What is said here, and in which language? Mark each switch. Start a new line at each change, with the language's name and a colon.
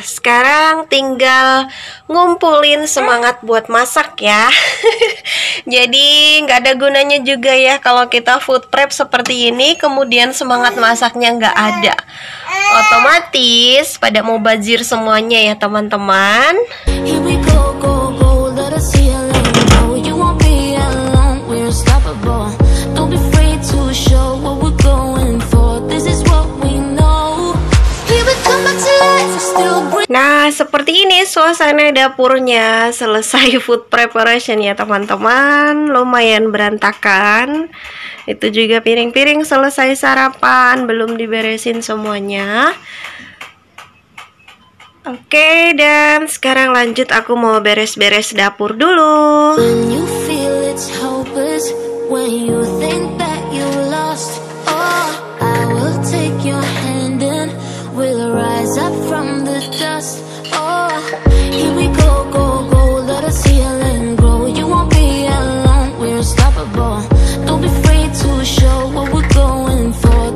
Indonesian: Sekarang tinggal ngumpulin semangat buat masak ya. Jadi gak ada gunanya juga ya kalau kita food prep seperti ini kemudian semangat masaknya gak ada. Otomatis pada mau bazir semuanya ya teman-teman.
English: Here we go, go, go, let us heal and grow. You won't be alone, we're unstoppable. Don't be afraid to show what we're going for. This is what we know. Here we come back to life, still breathe.
Indonesian: Nah, seperti ini suasana dapurnya selesai food preparation ya teman-teman. Lumayan berantakan. Itu juga piring-piring selesai sarapan, belum diberesin semuanya. Oke, dan sekarang lanjut aku mau beres-beres dapur dulu.
English: When you feel it's hopeless, when you think that you lost, oh, I will take your hand and we'll rise up from the dust. Oh, here we go, go, go, let us heal and grow. You won't be alone, we're unstoppable. Don't be afraid to show what we're going for.